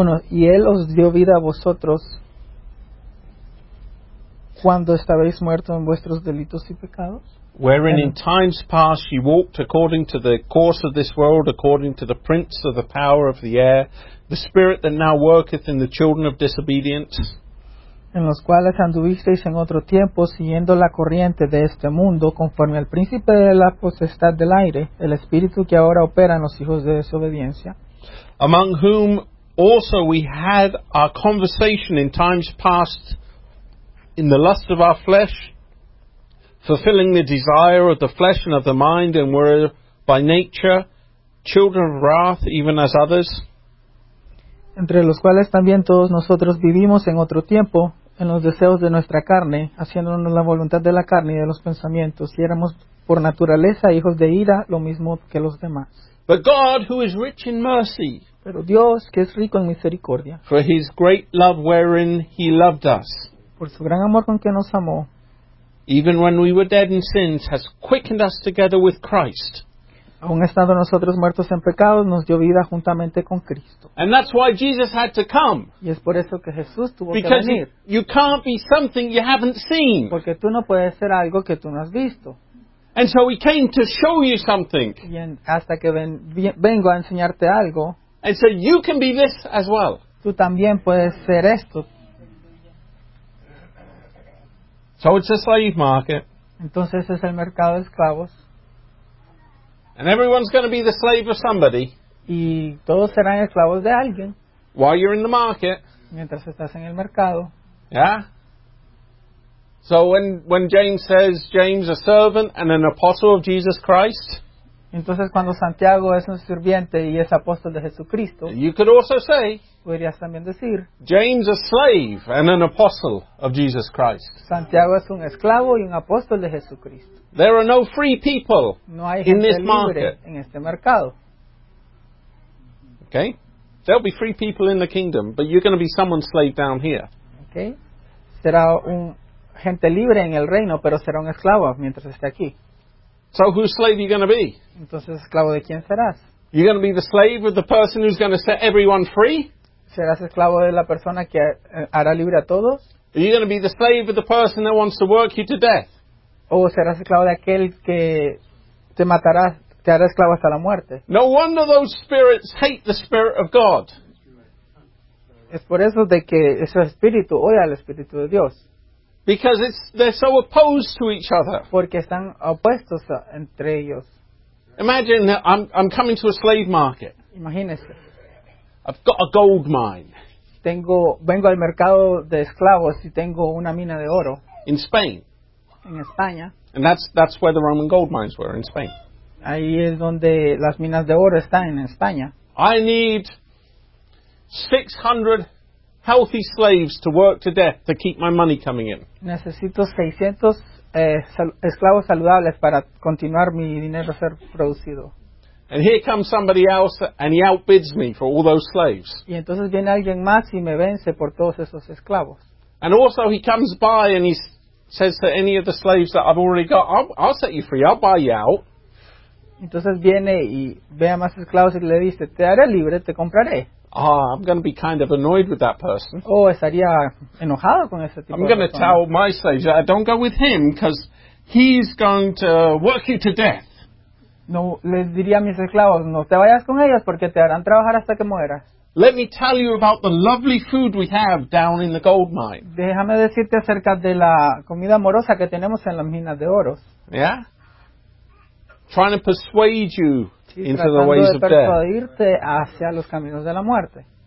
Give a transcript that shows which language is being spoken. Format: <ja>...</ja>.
<es>"Y él os dio vida a vosotros cuando estabais muertos en vuestros delitos y pecados."</es> <en>"Wherein in times past ye walked according to the course of this world, according to the prince of the power of the air, the spirit that now worketh in the children of disobedience."</en> <es>"En los cuales anduvisteis en otro tiempo, siguiendo la corriente de este mundo, conforme al príncipe de la potestad del aire, el espíritu que ahora opera en los hijos de desobediencia."</es> <en>"Among whom also we had our conversation in times past, in the lust of our flesh, fulfilling the desire of the flesh and of the mind, and were by nature children of wrath, even as others."</en> <es>entre los cuales también todos nosotros vivimos en otro tiempo, en los deseos de nuestra carne, haciéndonos la voluntad de la carne y de los pensamientos, y éramos por naturaleza hijos de ira, lo mismo que los demás.</es> <en>But God, who is rich in mercy,</en> <es>pero Dios, que es rico en misericordia,</es> <en>for his great love wherein he loved us,</en> <es>por su gran amor con que nos amó,</es> <en>even when we were dead in sins, has quickened us together with Christ.</en> <es>Aun estando nosotros muertos en pecados, nos dio vida juntamente con Cristo.</es> <en>And that's why Jesus had to come.</en> <es>Y es por eso que Jesús tuvo</es> <en>Because</en> <es>que venir.</es> <en>Because you can't be something you haven't seen.</en> <es>Porque tú no puedes ser algo que tú no has visto.</es> <en>And so he came to show you something.</en> <es>Y hasta que vengo a enseñarte algo.</es> <en>And so you can be this as well.</en> <es>Tú también puedes ser esto.</es> <en>So it's a slave market.</en> <es>Entonces es el mercado de esclavos.</es> <en>And everyone's going to be the slave of somebody.</en> <es>Y todos serán esclavos de alguien.</es> <en>While you're in the market.</en> <es>Mientras estás en el mercado.</es> <en>Yeah? So when James says, James a servant and an apostle of Jesus Christ.</en> <es>Entonces cuando Santiago es un sirviente y es apóstol de Jesucristo.</es> <en>You could also say.</en> <es>Podrías también decir.</es> <en>James a slave and an apostle of Jesus Christ.</en> <es>Santiago es un esclavo y un apóstol de Jesucristo.</es> <en>There are no free people</en> <es>no hay gente</es> <en>in this</en> <es>libre</es> <en>market.</en> <es>En este mercado.</es> <en>Okay? There'll be free people in the kingdom, but you're going to be someone's slave down here. Okay?</en> <es>Será un gente libre en el reino, pero será un esclavo mientras esté aquí.</es> <en>So whose slave are you going to be?</en> <es>Entonces, ¿esclavo de quién serás?</es> <en>You're going to be the slave of the person who's going to set everyone free?</en> <es>¿Serás esclavo de la persona que hará libre a todos?</es> <en>Are you going to be the slave of the person that wants to work you to death?</en> <es>¿O serás esclavo de aquel que te matará, te hará esclavo hasta la muerte?</es> <en>No wonder those spirits hate the Spirit of God.</en> <es>Es por eso de que ese espíritu odia al Espíritu de Dios.</es> <en>Because it's they're so opposed to each other.</en> <es>Porque están opuestos entre ellos.</es> <en>Imagine that I'm coming to a slave market.</en> <es>Imagínese.</es> <en>I've got a gold mine.</en> <es>Vengo al mercado de esclavos y tengo una mina de oro.</es> <en>In Spain.</en> <es>En España.</es> <en>And that's where the Roman gold mines were in Spain.</en> <es>Ahí es donde las minas de oro están en España.</es> <en>I need 600 healthy slaves to work to death to keep my money coming in.</en> <es>Necesito 600 esclavos saludables para continuar mi dinero ser producido.</es> <en>And here comes somebody else and he outbids me for all those slaves.</en> <es>Y entonces viene alguien más y me vence por todos esos esclavos.</es> <en>And also he comes by and he says to any of the slaves that I've already got, I'll set you free, I'll buy you out.</en> <es>Entonces viene y ve a más esclavos y le dice, te haré libre, te compraré.</es> <en>Oh, I'm going to be kind of annoyed with that person.</en> <es>Oh, estaría enojado con ese tipo.</es> <en>I'm going to tell my slaves that I don't go with him because he's going to work you to death.</en> <es>No, les diría a mis esclavos, no te vayas con ellos porque te harán trabajar hasta que mueras.</es> <en>Let me tell you about the lovely food we have down in the gold mine.</en> <es>Déjame decirte acerca de la comida amorosa que tenemos en las minas de oro.</es> <en>Yeah? Trying to persuade you into the ways of death.</en> <es>Tratando de persuadirte hacia los caminos de la muerte.</es>